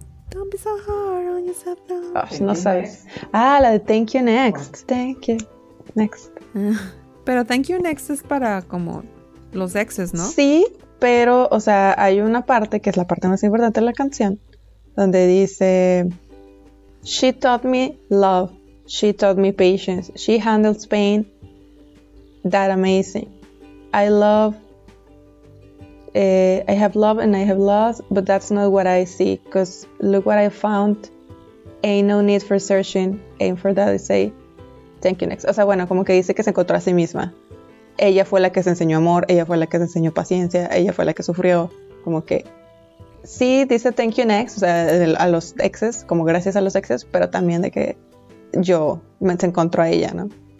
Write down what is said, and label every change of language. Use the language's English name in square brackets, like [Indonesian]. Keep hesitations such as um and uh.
[English] Don't be so hard on yourself now. [Spanish] Ay, no sabes. Ah, la de Thank You Next. Thank You Next. Pero thank you next es para como los exes, ¿no? Sí, pero, o sea, hay una parte que es la parte más importante de la canción, donde dice, [English] She taught me love, she taught me patience, she handles pain, that amazing. I love, eh, I have love and I have lost, but that's not what I see, because look what I found, ain't no need for searching, aim for that I say, thank you next. [Spanish] O sea, bueno, como que dice que se encontró a sí misma ella fue la que se enseñó amor, ella fue la que se enseñó paciencia, ella fue la que sufrió, como que sí dice thank you next, o sea, el- a los exes, como gracias a los exes, pero también de que yo me se encontró a ella, ¿no?